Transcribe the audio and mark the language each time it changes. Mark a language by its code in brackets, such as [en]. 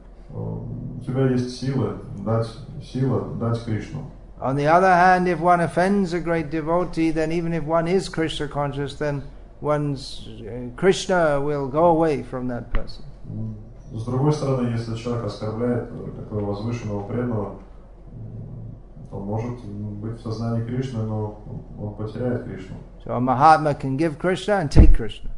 [ru] У тебя есть сила дать Кришну. [en] On the other hand, if one offends a great devotee, then even if one is Krishna conscious, then one's Krishna will go away from that person. [ru] С другой стороны, если человек оскорбляет такого возвышенного преданного, то может быть в сознании Кришны, но он потеряет Кришну. [en] So a Mahatma can give Krishna and take Krishna.